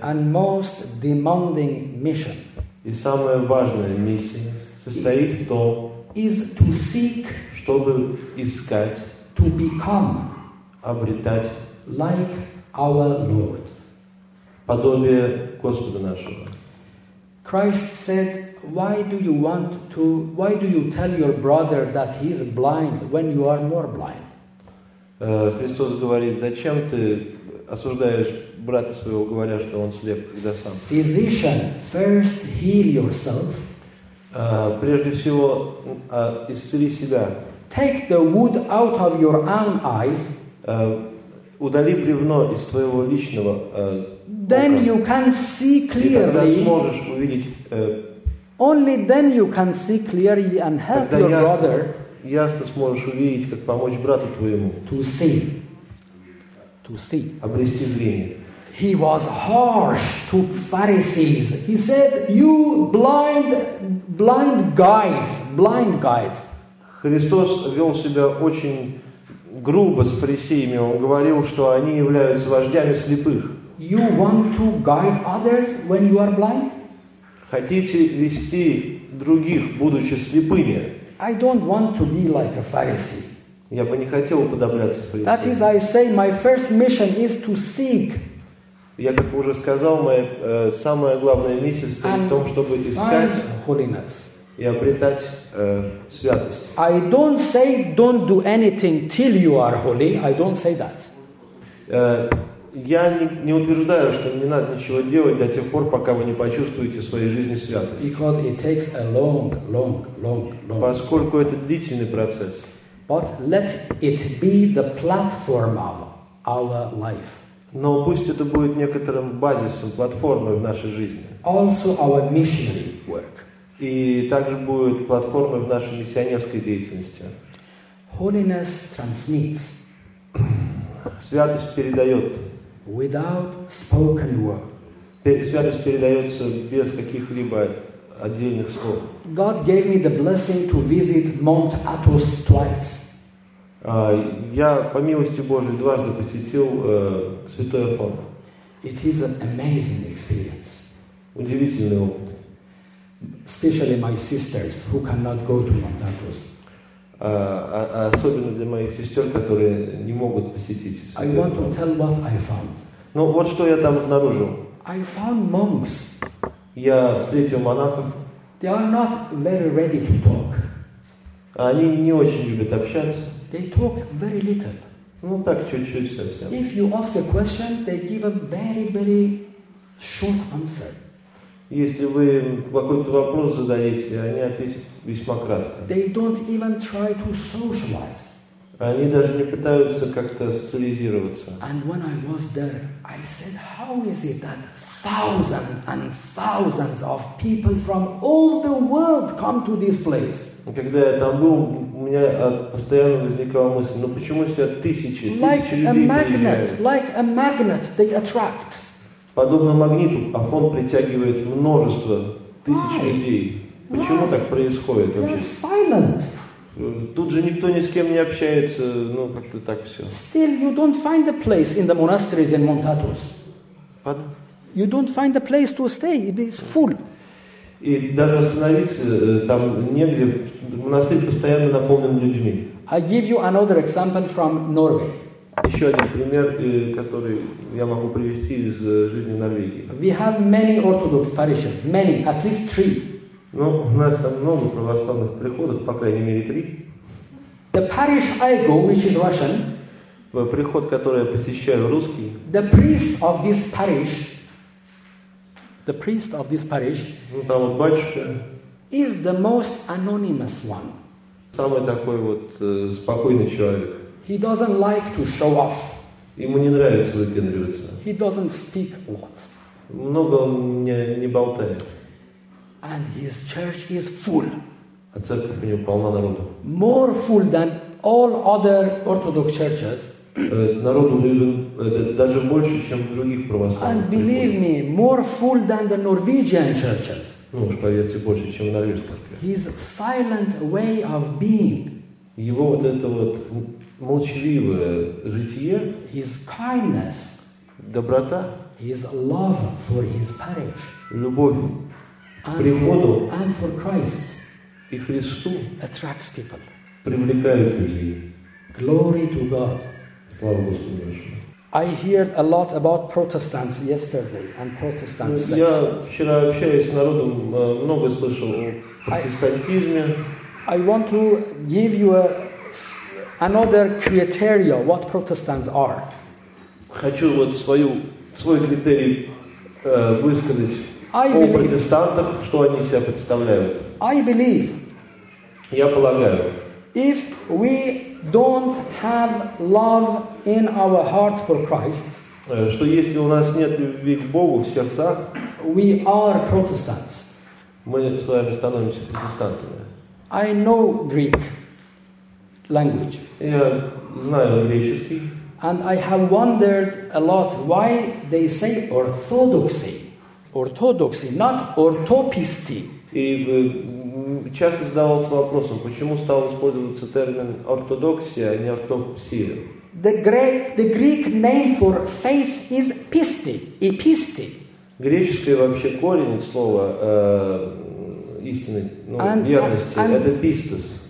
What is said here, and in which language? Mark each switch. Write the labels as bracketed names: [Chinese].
[English] And most demanding mission. [Russian] И самая важная миссия состоит в том, [English] is to seek, [Russian] чтобы искать, [English] to become, [Russian] обретать, [English] like our Lord. [Russian] Подобие Господа нашего. [English] Christ said, why do you tell your brother that he is blind when you are more blind? [Russian] Христос говорит, зачем ты осуждаешь брата своего, говоря, что он слеп, когда сам. [English] Physician, first heal yourself. [Russian] Прежде всего, исцели себя. [English] Take the wood out of your own eyes. [Russian] Удали бревно из твоего личного [English] Then you can see clearly. [Russian] И тогда сможешь увидеть. [English] Only then you can see clearly and help your brother. [Russian] Ясно сможешь увидеть, как помочь брату твоему. [English] To see. [Russian] Обрести зрение. [English] He was harsh to Pharisees. He said, "You blind guides." [Russian] Христос вел себя очень грубо с фарисеями. Он говорил, что они являются вождями слепых. [English] You want to guide others when you are blind? [Russian] Хотите вести других, будучи слепыми? [English] I don't want to be like a Pharisee. [Russian] Я бы не хотел уподобляться фарисеям. [English] That is, I say, my first mission is to seek. [Russian] Я, как уже сказал, моя самая главная миссия состоит в том, чтобы искать [English] holiness. [Russian] И обретать святость. [English] I don't say don't do anything till you are holy. I don't say that. [Russian] Я не утверждаю, что не надо ничего делать до тех пор, пока вы не почувствуете в своей жизни святость. [English] Because it takes a long. [Russian] Поскольку это длительный процесс. [English] But let it be the platform of our life. [Russian] Но пусть это будет некоторым базисом, платформой в нашей жизни. [English] Also our missionary work. [Russian] И также будет платформой в нашей миссионерской деятельности. [English] Holiness transmits. [Russian] Святость передает. [English] Without spoken word. [Russian] Святость передается без каких-либо отдельных слов. [English] God gave me the blessing to visit Mount Athos twice. [Russian] Я, по милости Божией, дважды посетил Святой Афон. [English] It is an amazing experience. [Russian] Удивительный опыт. [English] Especially my sisters who cannot go to Mount Athos. [Russian] Особенно для моих сестер, которые не могут посетить Святой [English] Афон. I want to tell what I found. [Russian] Ну, вот что я там обнаружил. [English] I found monks. [Russian] Я встретил монахов. [English] They are not very ready to talk. [Russian] Они не очень любят общаться. [English] They talk very little. [Russian] Ну, так, чуть-чуть совсем. [English] If you ask a question, they give a very, very short answer. [Russian] Если вы какой-то вопрос задаете, они ответят весьма кратко. [English] They don't even try to socialize. [Russian] Они даже не пытаются как-то социализироваться. [English] And when I was there, I said, how is it that thousands and thousands of people from all the world come to this place? [Russian] Когда я там был, у меня постоянно возникала мысль, ну почему все тысячи, тысячи людей приезжают? [English] Like a magnet, they attract. [Russian] Подобно магниту, Афон притягивает множество тысяч людей. Почему так происходит вообще? [English] They're silent. [Russian] Тут же никто ни с кем не общается, ну как-то так все. [English] Still, you don't find a place in the monasteries in Mount Athos. Pardon? You don't find a place to stay. It is full. [Russian] И даже остановиться там негде. Монастырь постоянно наполнен людьми. [English] I give you another example from Norway. [Russian] Еще один пример, который я могу привести из жизни Норвегии. [English] We have many Orthodox parishes. Many, at least three. [Russian] Ну, у нас там много православных приходов, по крайней мере, три. [English] The parish I go, which is Russian, [Russian] приход, который я посещаю, русский. [English] The priest of this parish [Russian] ну, там вот батюшка, [English] is the most anonymous one. [Russian] Самый такой вот спокойный человек. [English] He doesn't like to show off. [Russian] Ему не нравится выпендриваться. [English] He doesn't speak a lot. [Russian] Много он не болтает. [English] And his church is full. [Russian] А церковь у него полна народу. [English] More full than all other Orthodox churches. [Russian] Народу даже больше, чем других православных. [English] And believe me, more full than the Norwegian churches. [Russian] Ну уж поверьте, больше, чем в норвежской церкви. [English] His silent way of being. [Russian] Его вот это вот молчаливое житие. [English] His kindness. [Russian] Доброта. [English] His love for his parish. [Russian] Любовь. Приходу [English] and for Christ [Russian] и Христу [English] attracts people. [Russian] Привлекают людей. [English] Glory to God. [Russian] Слава Господу Божьему. [English] I heard a lot about Protestants yesterday and Protestants. [Russian] Я вчера общаюсь с народом, много слышал о протестантизме. [English] I want to give you another criteria what Protestants are. [Russian] хочу вот свою, свой критерий высказать по протестантам, что они себя представляют. [English] I believe. [Russian] Я полагаю. [English] If we don't have love in our heart for Christ, [Russian] что если у нас нет любви к Богу в сердцах, [English] we are Protestants. [Russian] Мы с вами становимся протестантами. [English] I know Greek language. [Russian] Я знаю греческий. [English] And I have wondered a lot why they say orthodoxy. Orthodoxy, not orthopisty. [Russian] И часто задавался вопросом, почему стал использоваться термин ортодоксия, а не ортопсия. [English] The Greek name for faith is pisti, episti. [Russian] Греческое вообще корень слова истины, ну, and, верности, and, это pistis.